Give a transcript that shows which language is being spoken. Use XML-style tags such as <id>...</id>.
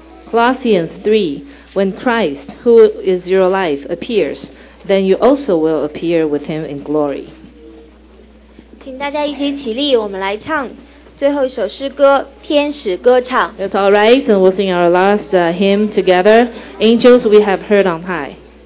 <en>Colossians 3, when Christ, who is your life, appears, then you also will appear with him in glory.</en> <zh>请大家一起起立，我们来唱最后一首诗歌，天使歌唱。</zh> <en>Let's all rise and we'll sing our last hymn together, Angels We Have Heard on High.</en>